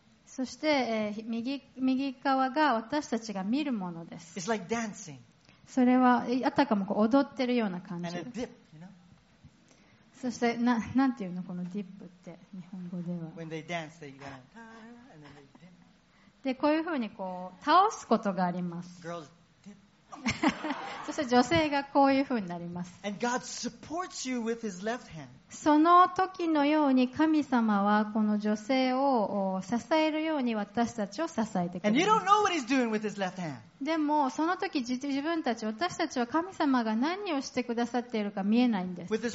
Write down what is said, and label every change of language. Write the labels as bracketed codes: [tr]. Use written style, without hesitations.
[ja] そして、右側が私たちが見るものです。 [en] It's like dancing. [ja] それはあたかもこう踊ってるような感じ。 [en] And a dip, you know? [ja] そして なんていうのこのディップって日本語では。 [en] When they dance, they go, and then they dip. [ja] でこういうふうにこう倒すことがあります。 [en] Girls dip. [ja] そして女性がこういうふうになります。 [en] And God supports you with his left hand. [ja] その時のように神様はこの女性を支えるように私たちを支えてくれます。でもその時自分たち、私たちは神様が何をしてくださっているか見えないんです。